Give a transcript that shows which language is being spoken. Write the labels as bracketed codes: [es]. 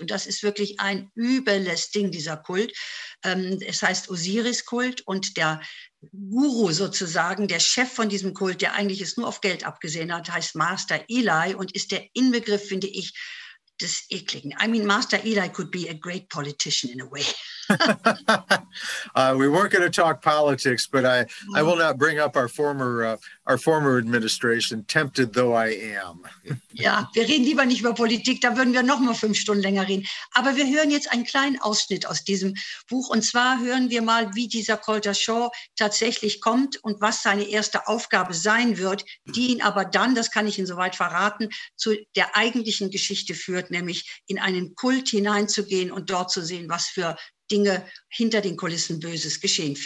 [de] Und das ist wirklich ein übles Ding, dieser Kult. Es heißt Osiris-Kult, und der Guru sozusagen, der Chef von diesem Kult, der eigentlich es nur auf Geld abgesehen hat, heißt Master Eli und ist der Inbegriff, finde ich, des Ekligen. [en] I mean, Master Eli could be a great politician in a way. We weren't going to talk politics, but I will not bring up our former administration, tempted though I am. [de] Ja, wir reden lieber nicht über Politik, da würden wir noch mal 5 Stunden länger reden. Aber wir hören jetzt einen kleinen Ausschnitt aus diesem Buch. Und zwar hören wir mal, wie dieser Colter Shaw tatsächlich kommt und was seine erste Aufgabe sein wird, die ihn aber dann, das kann ich Ihnen soweit verraten, zu der eigentlichen Geschichte führt, nämlich in einen Kult hineinzugehen und dort zu sehen, was für Dinge hinter den Kulissen Böses geschehen.